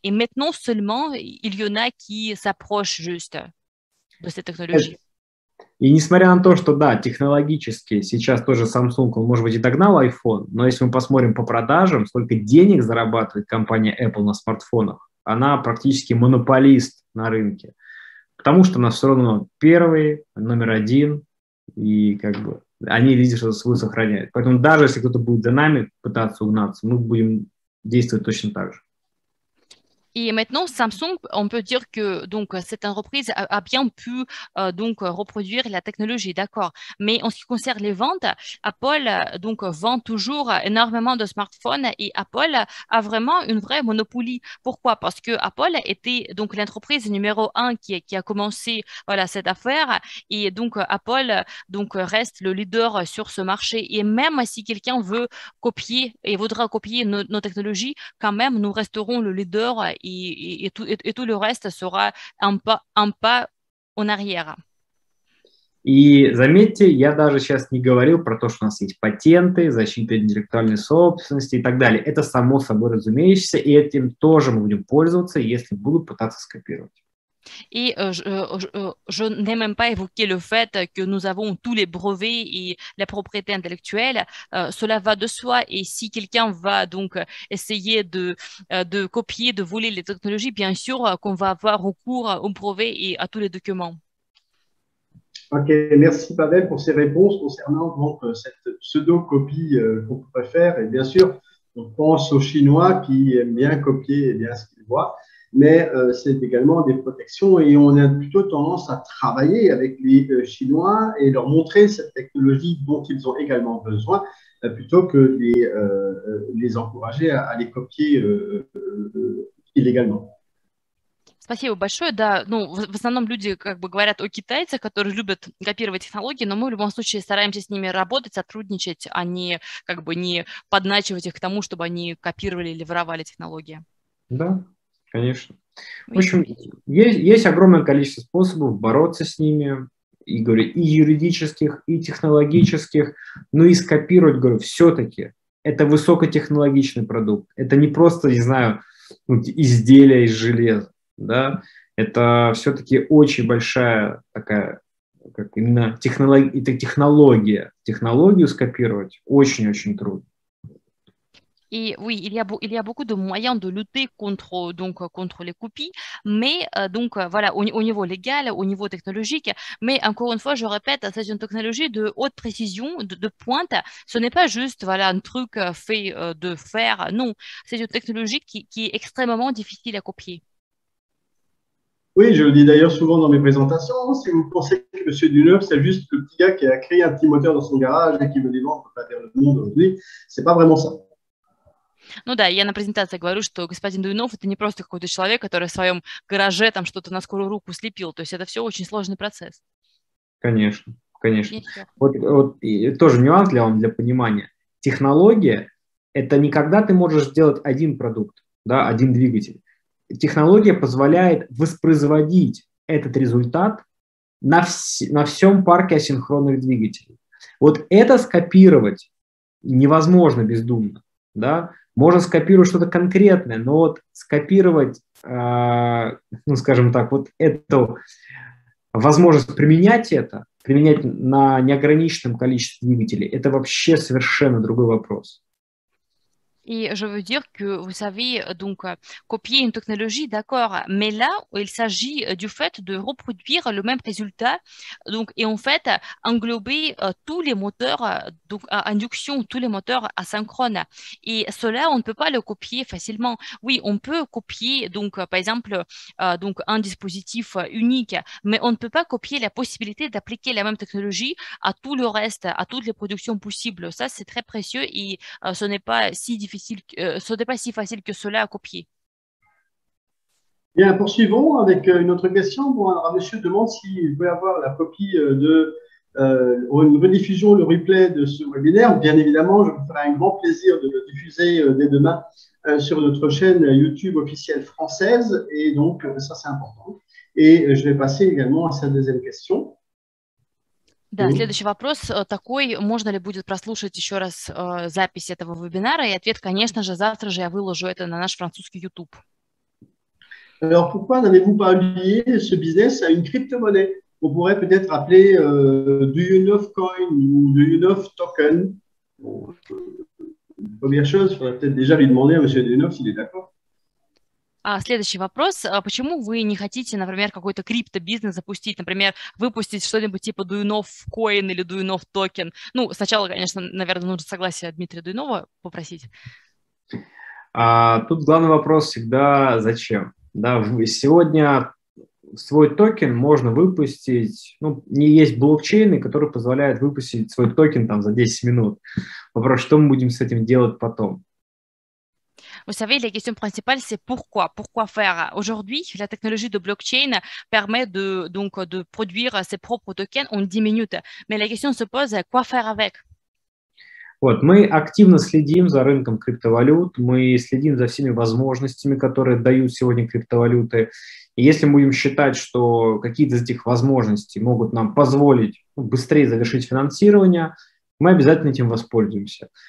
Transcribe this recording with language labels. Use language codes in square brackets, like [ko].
[fr] Et maintenant seulement, il y en a qui s'approchent juste de cette technologie. [ru] И несмотря на то, что да, технологически сейчас тоже Samsung, он, может быть, и догнал iPhone, но если мы посмотрим по продажам, сколько денег зарабатывает компания Apple на смартфонах, она практически монополист на рынке. Потому что она все равно первый, номер один, и как бы они лидерство свое сохраняют. Поэтому даже если кто-то будет за нами пытаться угнаться, мы будем действовать точно так же. [fr] Et maintenant, Samsung, on peut dire que donc cette entreprise a bien pu donc reproduire la technologie, d'accord. Mais en ce qui concerne les ventes, Apple donc vend toujours énormément de smartphones et Apple a vraiment une vraie monopolie. Pourquoi? Parce que Apple était donc l'entreprise numéro un qui a commencé voilà cette affaire et donc Apple donc reste le leader sur ce marché. Et même si quelqu'un veut copier et voudra copier nos technologies, quand même nous resterons le leader. [ru] И тут [fr] resta sera un pas en arrière. [ru] И заметьте, я даже сейчас не говорил про то, что у нас есть патенты, защита интеллектуальной собственности и так далее. Это само собой разумеющееся, и этим тоже мы будем пользоваться, если будут пытаться скопировать. [fr] Et je n'ai même pas évoqué le fait que nous avons tous les brevets et la propriété intellectuelle. Cela va de soi. Et si quelqu'un va donc essayer de copier, de voler les technologies, bien sûr qu'on va avoir recours aux brevets et à tous les documents. Ok, merci Pavel pour ces réponses concernant donc, cette pseudo-copie qu'on pourrait faire. Et bien sûr, on pense aux Chinois qui aiment bien copier et bien ce qu'ils voient. Mais c'est également des protections et on a plutôt tendance à travailler avec les Chinois et leur montrer cette technologie dont ils ont également besoin plutôt que les encourager à les copier illégalement. [ru] Спасибо большое. Да, ну, в основном люди как бы говорят о китайцах, которые любят копировать технологии, но мы в любом случае стараемся с ними работать, сотрудничать, а не как бы не подначивать их к тому, чтобы они копировали или воровали технологии. Да. Конечно. В общем, есть огромное количество способов бороться с ними, и, говорю, и юридических, и технологических, но и скопировать, говорю, все-таки это высокотехнологичный продукт, это не просто, не знаю, изделие из железа, да, это все-таки очень большая такая, как именно технология, технологию скопировать очень-очень трудно. [fr] Et oui, il y a beaucoup de moyens de lutter contre les copies, mais donc voilà au niveau légal, au niveau technologique. Mais encore une fois, je répète, c'est une technologie de haute précision, de pointe. Ce n'est pas juste voilà un truc fait de fer. Non, c'est une technologie qui est extrêmement difficile à copier. Oui, je le dis d'ailleurs souvent dans mes présentations. Si vous pensez que Monsieur Duneuve, c'est juste le petit gars qui a créé un petit moteur dans son garage et qui veut les vendre à travers le monde aujourd'hui, c'est pas vraiment ça. [ru] Ну да, я на презентации говорю, что господин Дуйнов это не просто какой-то человек, который в своем гараже там что-то на скорую руку слепил. То есть это все очень сложный процесс. Конечно, конечно. Вот и тоже нюанс для вам, для понимания. Технология – это не когда ты можешь сделать один продукт, да, один двигатель. Технология позволяет воспроизводить этот результат на всем парке асинхронных двигателей. Вот это скопировать невозможно бездумно, да. Можно скопировать что-то конкретное, но вот скопировать, ну, скажем так, вот эту возможность применять это, применять на неограниченном количестве двигателей, это вообще совершенно другой вопрос. [fr] Et je veux dire que vous savez donc copier une technologie, d'accord, mais là il s'agit du fait de reproduire le même résultat, donc et en fait englober tous les moteurs donc à induction, tous les moteurs asynchrones. Et cela on ne peut pas le copier facilement. Oui, on peut copier donc par exemple donc un dispositif unique, mais on ne peut pas copier la possibilité d'appliquer la même technologie à tout le reste, à toutes les productions possibles. Ça c'est très précieux et ce n'est pas si difficile. difficile, ce n'était pas si facile que cela à copier. Bien, poursuivons avec une autre question. Bon, alors, monsieur demande s'il veut avoir la copie de une rediffusion, le replay de ce webinaire. Bien évidemment, je vous ferai un grand plaisir de le diffuser dès demain sur notre chaîne YouTube officielle française. Et donc, ça, c'est important. Et je vais passer également à sa deuxième question. [ru] Да, следующий вопрос такой, можно ли будет прослушать еще раз запись этого вебинара? И ответ, конечно же, завтра же я выложу это на наш французский YouTube. [fr] Alors, pourquoi n'avez-vous pas lié ce business à une crypto-monnaie? On pourrait peut-être appeler Do You Know Coin ou Do You Know Token? Bon, première chose, il faudrait peut-être déjà lui demander à M. Do You Know s'il est d'accord. [ru] А следующий вопрос. Почему вы не хотите, например, какой-то криптобизнес запустить, например, выпустить что-нибудь типа Do You Know Coin или Do You Know Token? Ну, сначала, конечно, наверное, нужно согласие Дмитрия Дуйнова попросить. А тут главный вопрос всегда зачем? Да, сегодня свой токен можно выпустить, ну, не есть блокчейны, которые позволяют выпустить свой токен там за 10 минут. Вопрос, что мы будем с этим делать потом? [fr] Vous savez, la question principale, c'est pourquoi? Pourquoi faire? Aujourd'hui, la technologie de blockchain permet de, donc, de produire ses propres tokens en 10 minutes. Mais la question se pose, quoi faire avec? [ru] Вот, мы активно следим за рынком криптовалют, мы следим за всеми возможностями, которые дают сегодня криптовалюты. И если мы будем считать, что какие-то из этих возможностей могут нам позволить быстрее завершить финансирование, мы обязательно этим воспользуемся.